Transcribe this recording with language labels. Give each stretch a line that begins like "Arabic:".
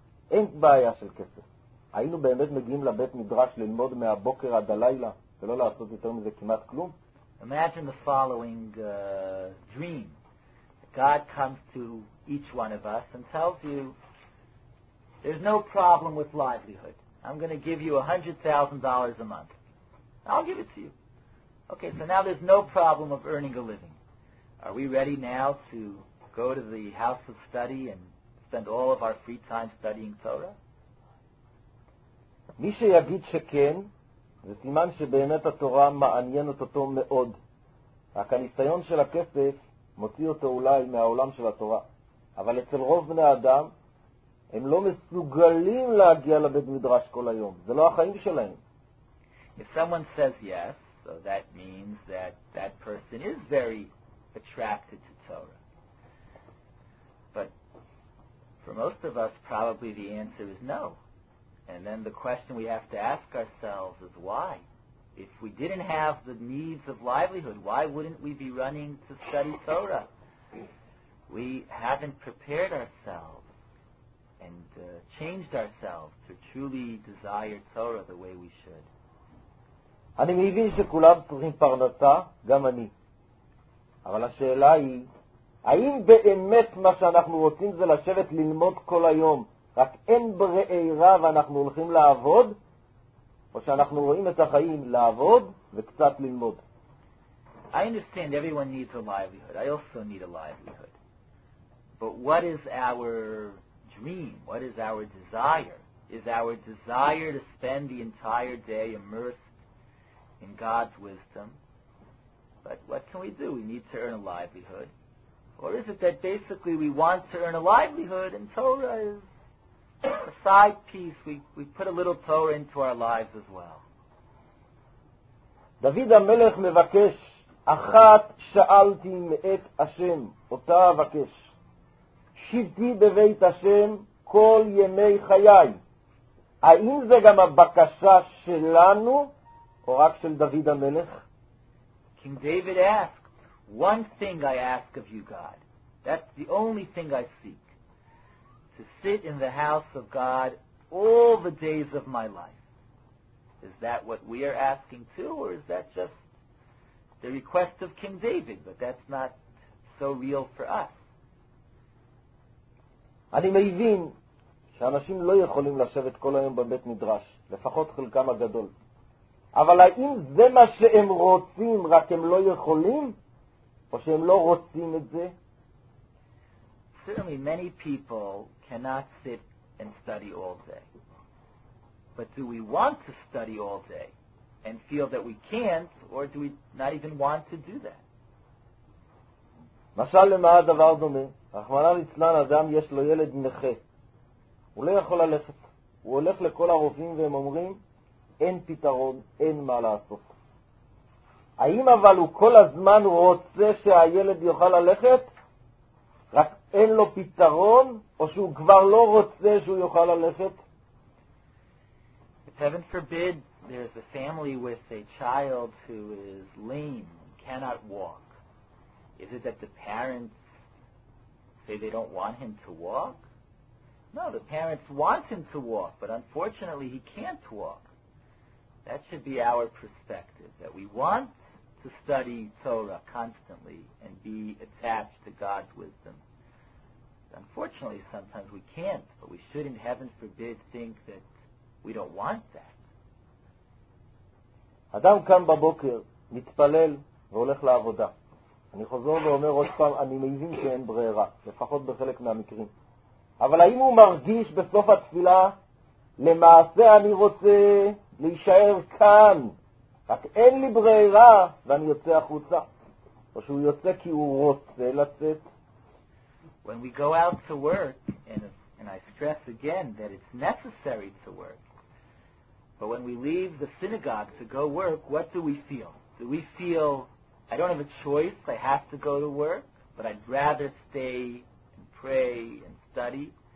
Hebrew: אין בעיה של כסף. היינו באמת מגיעים לבית מדרש ללמוד מהבוקר עד הלילה, ולא לעשות יותר מזה כמעט כלום?
English: Imagine the following dream. God comes to each one of us and tells you, there's no problem with livelihood. I'm going to give you $100,000 a month. I'll give it to you. Okay, so now there's no problem of earning a living. Are we ready now to go to the house of study and spend all of our free time studying Torah?
Hebrew: מי שיגיד שכן, זה סימן שבאמת התורה מעניינת אותו מאוד. רק הניסיון של הכסף מוציא אותו אולי מהעולם של התורה. אבל אצל רוב בני האדם, הם לא מסוגלים להגיע לבית מדרש כל היום. זה לא החיים שלהם.
English: If someone says yes, so that means that that person is very attracted to Torah. But for most of us, probably the answer is no. And then the question we have to ask ourselves is why? If we didn't have the needs of livelihood, why wouldn't we be running to study Torah? We haven't prepared ourselves and changed ourselves to truly desire Torah the way we should.
Hebrew: אני מבין שכולם צריכים פרנסה, גם אני. אבל השאלה היא, האם באמת מה שאנחנו רוצים זה לשבת ללמוד כל היום, רק אין ברירה ואנחנו הולכים לעבוד, או שאנחנו רואים את החיים לעבוד וקצת ללמוד?
English: I understand everyone needs a livelihood. I also need a livelihood. But what is our dream? What is our desire? Is our desire to spend the entire day immersed in God's wisdom? But what can we do? We need to earn a livelihood. Or is it that basically we want to earn a livelihood and Torah is a side piece? We put a little Torah into our lives as well.
Hebrew: David HaMelech מבקש, אחת שאלתי מאת השם, אותה אבקש. שבתי בבית השם כל ימי חיי. האם זה גם הבקשה שלנו?
English: Or
Hebrew: רק של דוד המלך?
English: King David asked, one thing I ask of you, God. That's the only thing I seek. To sit in the house of God all the days of my life. Is that what we are asking too, or is that just the request of King David, but that's not so real for us?
Hebrew: אני מבין שאנשים לא יכולים לשבת כל היום בבית מדרש, לפחות חלקם הגדול. אבל האם זה מה שהם רוצים, רק הם לא יכולים? או שהם לא רוצים את זה?
English: Certainly many people cannot sit and study all day. But do we want to study all day and feel that we can't, or do we not even want to do that?
Hebrew: משל למה הדבר דומה? רחמנא ליצלן, אדם יש לו ילד נכה. הוא לא יכול ללכת. הוא הולך לכל הרופאים והם אומרים, אין פתרון, אין מה לעשות. האם אבל הוא כל הזמן רוצה שהילד יוכל ללכת? רק אין לו פתרון, או שהוא כבר לא רוצה שהוא יוכל ללכת?
English: If heaven forbid, there's a family with a child who is lame, cannot walk. Is it that the parents say they don't want him to walk? No, the parents want him to walk, but unfortunately he can't walk. That should be our perspective, that we want to study Torah constantly and be attached to God's wisdom. Unfortunately, sometimes we can't, but we shouldn't, heaven forbid, think that we don't want that.
Hebrew: אדם קם בבוקר, מתפלל והולך לעבודה. אני חוזר ואומר עוד פעם, אני מבין שאין ברירה, לפחות בחלק מהמקרים. אבל האם הוא מרגיש בסוף התפילה, למעשה אני רוצה להישאר כאן, רק אין לי ברירה ואני יוצא החוצה, או שהוא יוצא כי הוא רוצה לצאת?
English: When we go out to work, and I stress again that it's necessary to work, but when we leave the synagogue to go work, what do we feel? Do we feel, I don't have a choice, I have to go to work, but I'd rather stay and pray and study?